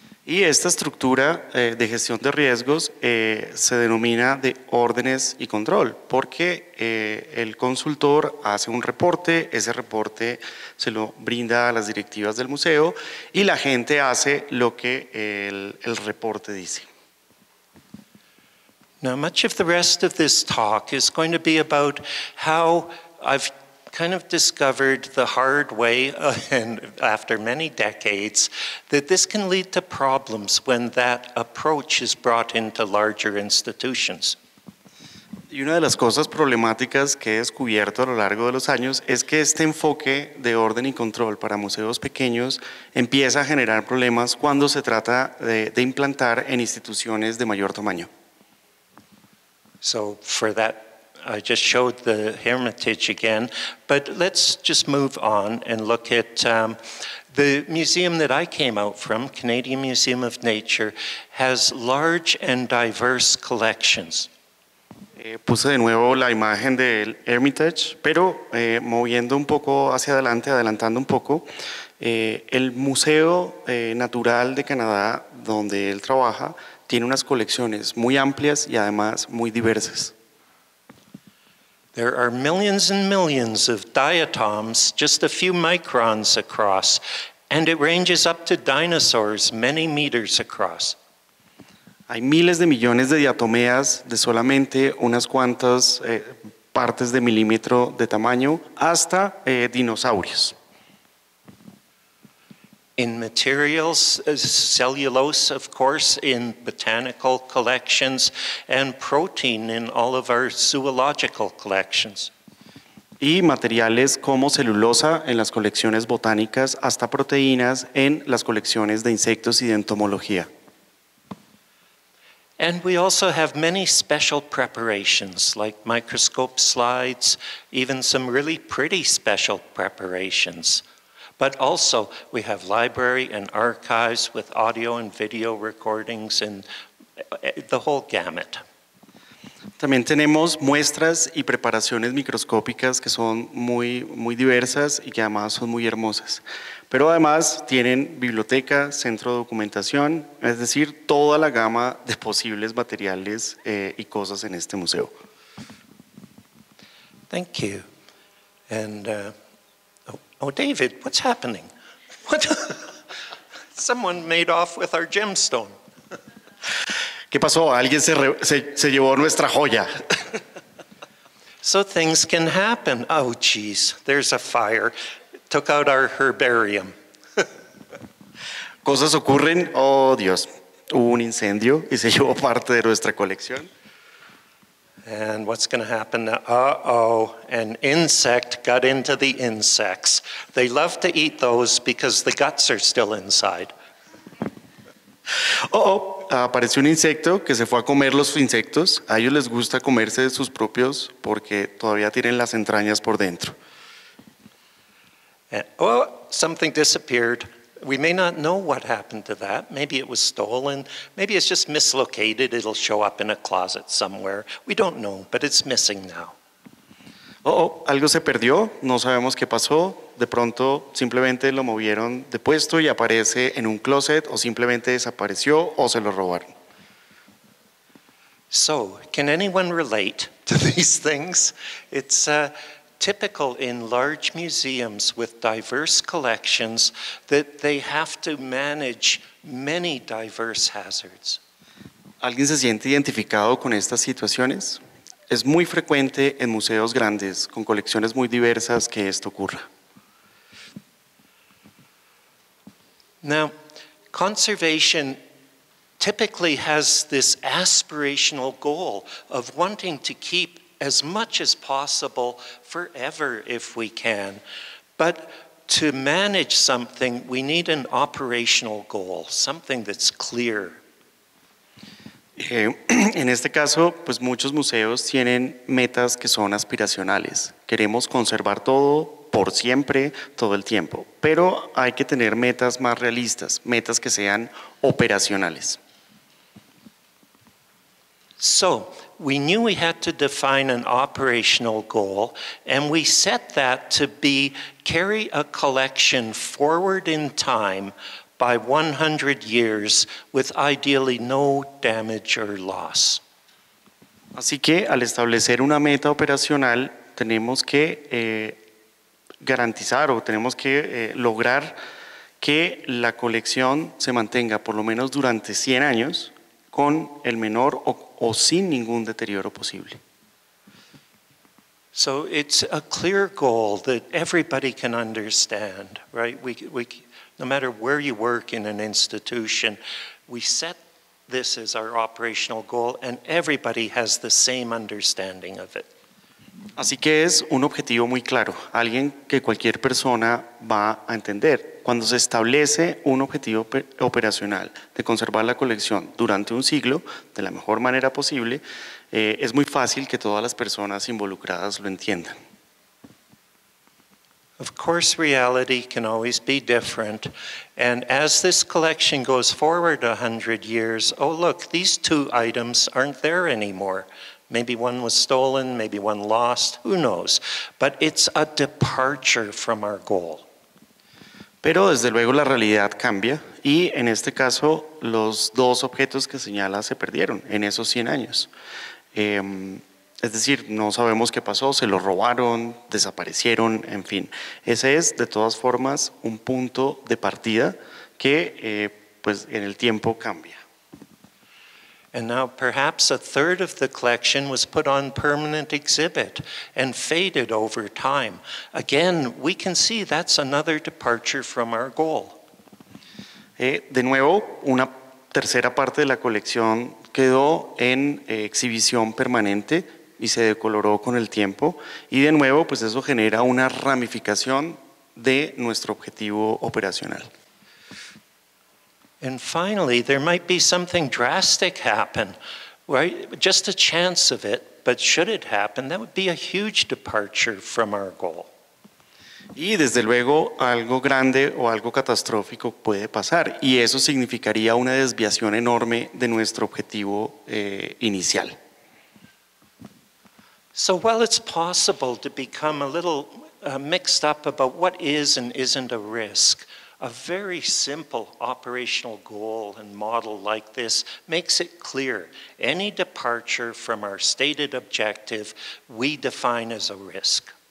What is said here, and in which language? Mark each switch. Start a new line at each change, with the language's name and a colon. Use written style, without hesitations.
Spanish: Y esta estructura de gestión de riesgos se denomina de órdenes y control, porque el consultor hace un reporte, ese reporte se lo brinda a las directivas del museo y la gente hace lo que el reporte dice.
English: Now, much of the rest of this talk is going to be about how I've kind of discovered the hard way, and after many decades, that this can lead to problems when that approach is brought into larger institutions.
Spanish: Y una de las cosas problemáticas que he descubierto a lo largo de los años es que este enfoque de orden y control para museos pequeños empieza a generar problemas cuando se trata de implantar en instituciones de mayor tamaño.
English: So, for that, I just showed the Hermitage again, but let's just move on and look at the museum that I came out from, Canadian Museum of Nature, has large and diverse collections.
Spanish: Puse de nuevo la imagen del Hermitage, pero moviendo un poco hacia adelante, adelantando un poco, el Museo Natural de Canadá, donde él trabaja, tiene unas colecciones muy amplias y además muy diversas.
English: There are millions and millions of diatoms, just a few microns across, and it ranges up to dinosaurs many meters across.
Spanish: Hay miles de millones de diatomeas de solamente unas cuantas partes de milímetro de tamaño hasta dinosaurios.
English: In materials, cellulose, of course, in botanical collections, and protein in all of our zoological collections.
Spanish: Y materiales como celulosa en las colecciones botánicas, hasta proteínas en las colecciones de insectos y de entomología.
English: And we also have many special preparations, like microscope slides, even some really pretty special preparations. But also, we have library and archives with audio and video recordings and the whole gamut.
Spanish: También tenemos muestras y preparaciones microscópicas que son muy, muy diversas y que además son muy hermosas. Pero además tienen biblioteca, centro de documentación, es decir, toda la gama de posibles materiales y cosas en este museo.
English: Thank you. And, oh, David, what's happening? What? Someone made off with our gemstone.
Spanish: ¿Qué pasó? Alguien se llevó nuestra joya.
English: So things can happen. Oh, geez, there's a fire. It took out our herbarium.
Spanish: Cosas ocurren. Oh, Dios. Hubo un incendio y se llevó parte de nuestra colección.
English: And what's going to happen now? Uh-oh, an insect got into the insects. They love to eat those because the guts are still inside.
Spanish: Uh-oh, apareció un insecto que se fue a comer los insectos. A ellos les gusta comerse sus propios porque todavía tienen las entrañas por dentro.
English: Oh, something disappeared. We may not know what happened to that. Maybe it was stolen. Maybe it's just mislocated. It'll show up in a closet somewhere. We don't know, but it's missing now.
Spanish: Oh, algo se perdió. No sabemos qué pasó. De pronto, simplemente lo movieron de puesto y aparece en un closet, o simplemente desapareció, o se lo robaron.
English: So, can anyone relate to these things? It's typical in large museums with diverse collections that they have to manage many diverse hazards.
Spanish: ¿Alguien se siente identificado con estas situaciones? Es muy frecuente en museos grandes con colecciones muy diversas que esto ocurra.
English: Now, conservation typically has this aspirational goal of wanting to keep as much as possible forever if we can. But to manage something, we need an operational goal, something that's clear.
Spanish: En este caso, pues muchos museos tienen metas que son aspiracionales. Queremos conservar todo por siempre, todo el tiempo. Pero hay que tener metas más realistas, metas que sean operacionales.
English: So, we knew we had to define an operational goal, and we set that to be carry a collection forward in time by 100 years with ideally no damage or loss.
Spanish: Así que al establecer una meta operacional, tenemos que garantizar o tenemos que lograr que la colección se mantenga por lo menos durante 100 años con el menor o sin ningún deterioro posible.
English: So it's a clear goal that everybody can understand, right? We no matter where you work in an institution, we set this as our operational goal and everybody has the same understanding of it.
Spanish: Así que es un objetivo muy claro, alguien que cualquier persona va a entender. Cuando se establece un objetivo operacional de conservar la colección durante un siglo, de la mejor manera posible, es muy fácil que todas las personas involucradas lo entiendan.
English: Of course, reality can always be different. And as this collection goes forward 100 years, oh look, these two items aren't there anymore. Maybe one was stolen, maybe one lost, who knows? But it's a departure from our goal.
Spanish: Pero desde luego la realidad cambia y en este caso los dos objetos que señala se perdieron en esos 100 años. Es decir, no sabemos qué pasó, se los robaron, desaparecieron, en fin. Ese es de todas formas un punto de partida que pues en el tiempo cambia.
English: And now perhaps a third of the collection was put on permanent exhibit and faded over time. Again, we can see that's another departure from our goal.
Spanish: De nuevo, una tercera parte de la colección quedó en exhibición permanente y se decoloró con el tiempo. Y de nuevo, pues eso genera una ramificación de nuestro objetivo operacional.
English: And finally, there might be something drastic happen, right? Just a chance of it, but should it happen, that would be a huge departure from our goal.
Spanish: Y desde luego algo grande o algo catastrófico puede pasar, y eso significaría una desviación enorme de nuestro objetivo inicial.
English: So while it's possible to become a little mixed up about what is and isn't a risk, a very simple operational goal and model like this makes it clear any departure from our stated objective we define as a risk.